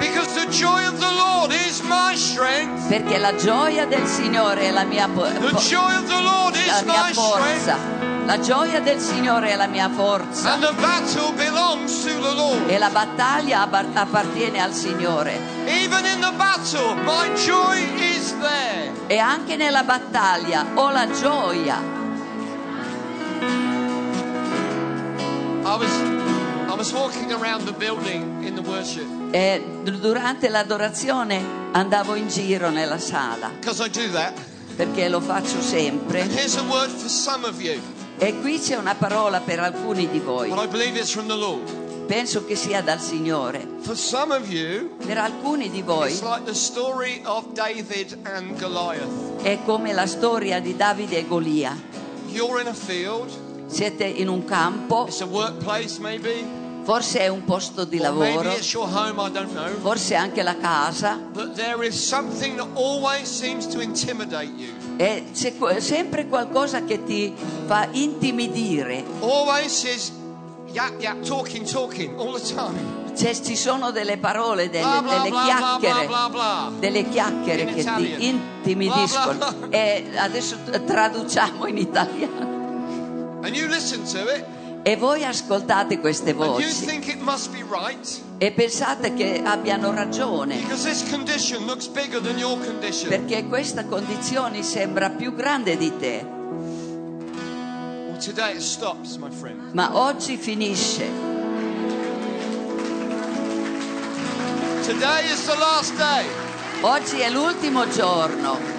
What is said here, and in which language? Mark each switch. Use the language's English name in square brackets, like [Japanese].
[English] Because the joy of the Lord is my strength. [Italian] Perché la gioia del Signore è la mia forza. [English] The joy of the Lord is my strength. [Italian] La gioia del Signore è la mia forza. [English] And the battle belongs to the Lord. [Italian] E la battaglia appartiene al Signore. [English] Even in the battle, my joy is there. [Italian] E anche nella battaglia ho la gioia. [English] I was walking around the building in the worship. [Italian] E durante l'adorazione andavo in giro nella sala. [English] Because I do that. [Italian] Perché lo faccio sempre. [English] And here's a word for some of you. [Italian] E qui c'è una parola per alcuni di voi. [English] But I believe it's from the Lord. [Italian] Penso che sia dal Signore. [English] For some of you, [Italian] per alcuni di voi, [English] it's like the story of David and Goliath. [Italian] È come la storia di Davide e Golia. [English] You're in a field. [Italian] Siete in un campo. [English] It's a workplace, maybe. [Italian] Forse è un posto di lavoro. [English] Maybe it's your home, I don't know. [Italian] Forse anche la casa. [English] But there is something that always seems to intimidate you. [Italian] E c'è sempre qualcosa che ti fa intimidire. [English] Always is yap yap talking all the time. [Italian] Cioè, ci sono delle parole, delle chiacchiere che ti intimidiscono. E adesso traduciamo in italiano. [English] And you listen to it. [Italian] E voi ascoltate queste voci. [English] And you think it must be right. [Italian] E pensate che abbiano ragione. [English] Because this condition looks bigger than your condition. [Italian] Perché questa condizione sembra più grande di te. [English] Well, today it stops, my friend. [Italian] Ma oggi finisce. [English] Today is the last day. [Italian] Oggi è l'ultimo giorno.